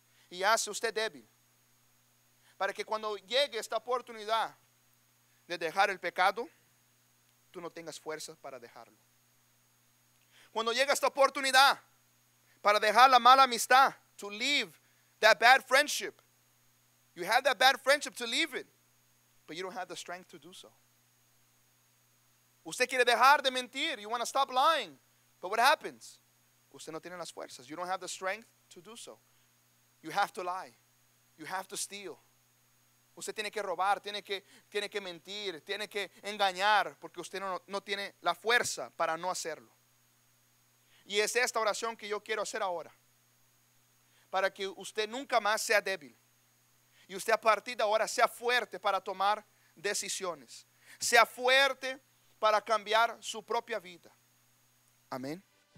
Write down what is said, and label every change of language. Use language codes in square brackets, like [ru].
[es] Y hace usted débil. Para que cuando llegue esta oportunidad de dejar el pecado, tú no tengas fuerza para dejarlo. Cuando llega esta oportunidad para dejar la mala amistad, [en] to leave that bad friendship, you have that bad friendship to leave it, but you don't have the strength to do so. [es] Usted quiere dejar de mentir, [en] you want to stop lying, but what happens? [es] Usted no tiene las fuerzas, [en] you don't have the strength to do so. You have to lie, you have to steal. [es] Usted tiene que robar, tiene que mentir, tiene que engañar, porque usted no tiene la fuerza para no hacerlo. Y es esta oración que yo quiero hacer ahora, para que usted nunca más sea débil. Y usted a partir de ahora sea fuerte para tomar decisiones. Sea fuerte para cambiar su propia vida. Amén.